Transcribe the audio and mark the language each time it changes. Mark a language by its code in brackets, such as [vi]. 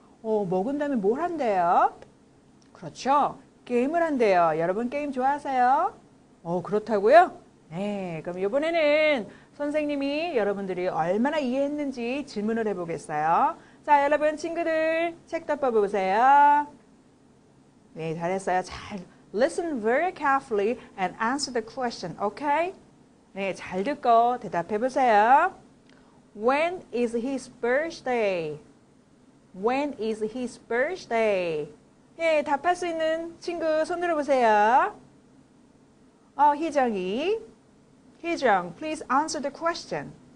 [ko] 먹은 다음에 뭘 한대요? 그렇죠. 게임을 한대요. 여러분 게임 좋아하세요? 그렇다고요? 네, 그럼 이번에는 선생님이 여러분들이 얼마나 이해했는지 질문을 해보겠어요. 자, 여러분 친구들 책 덮어 보세요. 네, 잘했어요. [en] 잘 listen very carefully and answer the question, okay? [ko] 네, 잘 듣고 대답해 보세요. [en] When is his birthday? When is his birthday? [ko] 네, 답할 수 있는 친구 손들어 보세요. [en] 희정이. 희정, please answer the question.